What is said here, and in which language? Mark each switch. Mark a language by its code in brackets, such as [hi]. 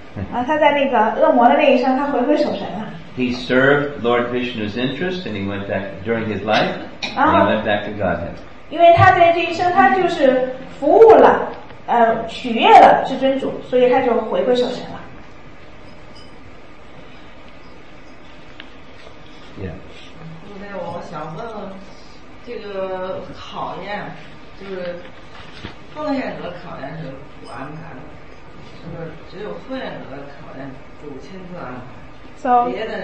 [zh] 他在那个恶魔的那一生，他回归守神了。 [en] He served Lord Vishnu's interest and he went back during his life and he went back to Godhead. [zh] 因为他在这一生他就是服务了取悦了至尊主，所以他就回归守神了。 [en] Yeah. [zh] 那我想问这个考验，就是奉献者考验是主安排的，是不是只有奉献者考验主亲自安排？